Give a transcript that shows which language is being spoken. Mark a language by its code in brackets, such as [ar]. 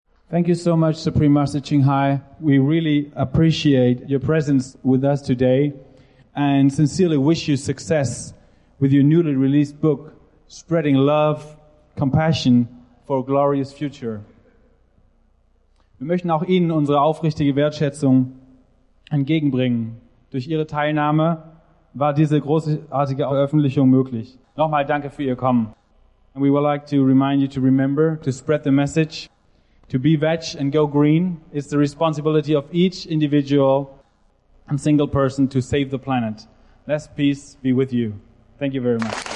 [en] Thank you so much, Supreme Master Ching Hai. We really appreciate your presence with us today and sincerely wish you success with your newly released book, Spreading Love, Compassion for a Glorious Future. [de] Wir möchten auch Ihnen unsere aufrichtige Wertschätzung entgegenbringen. Durch Ihre Teilnahme war diese großartige Veröffentlichung möglich. Nochmal danke für Ihr Kommen. [en] And we would like to remind you to remember to spread the message. To be veg and go green is the responsibility of each individual and single person to save the planet. Let peace be with you. Thank you very much.